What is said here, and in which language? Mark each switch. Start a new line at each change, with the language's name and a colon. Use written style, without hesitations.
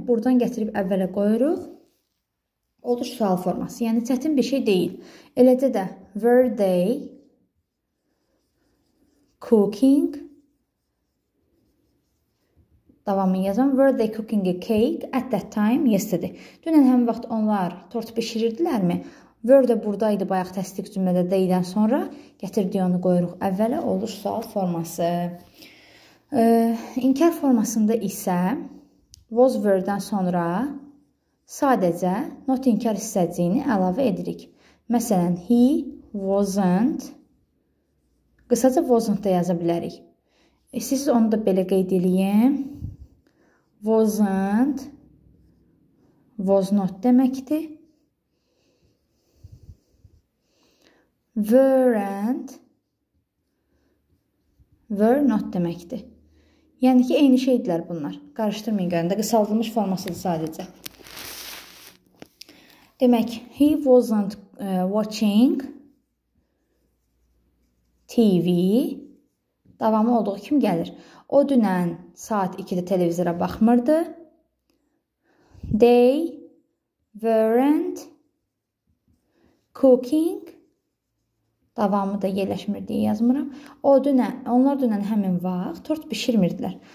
Azerbaijani: Buradan gətirib əvvələ qoyuruq. Olur sual forması. Yəni, çətin bir şey deyil. Eləcə də,
English: were they cooking?
Azerbaijani: Davamını yazam.
English: Were they cooking a cake at that time yesterday?
Azerbaijani: Dünən həmin vaxt onlar tort pişirirdilərmi? Were də buradaydı bayaq təsdiq cümlədə deyilən sonra gətirdiyi onu qoyuruq. Əvvələ olur sual forması. İnkar formasında isə was were-dən sonra sadəcə not inkar hissəciyini əlavə edirik. Məsələn, he wasn't, qısaca wasn't da yaza bilərik. Siz onu da belə qeyd edeyim. Wasn't, was not deməkdir. Weren't, were not deməkdir. Yəni ki, eyni şeydirlər bunlar. Qarışdırmayın görəndə, qısaldılmış formasıdır sadəcə. Demək,
English: he wasn't watching TV.
Azerbaijani: Davamı olduğu kim gəlir? O dünən saat 2-də televizora baxmırdı.
English: They weren't cooking.
Azerbaijani: Davamı da yerləşmir deyə yazmıram. O dünən, onlar dünən həmin vaxt tort bişirmirdilər.